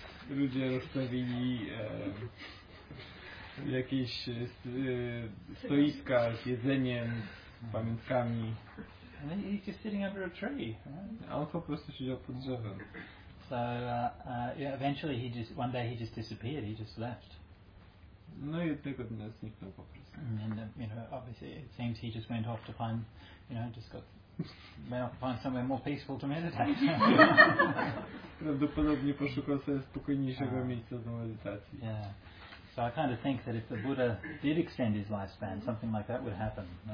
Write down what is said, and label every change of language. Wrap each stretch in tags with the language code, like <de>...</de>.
<pl>Ludzie rozstawili jakieś stoiska z jedzeniem, z pamiątkami.</pl> <en>And then he's just sitting under a tree, right?</en> <pl>On po prostu siedział pod drzewem.</pl> <en>So eventually one day he just disappeared, he just left.</en> <pl>No i tego dnia zniknął po prostu.</pl> <en>And you know, obviously it seems he just went off to find, you know, just got went off to find somewhere more peaceful to meditate.</en> <pl>Prawdopodobnie poszukał sobie spokojniejszego miejsca do medytacji.</pl> <en>Yeah. So I kind of think that if the Buddha did extend his lifespan, something like that would happen.</en>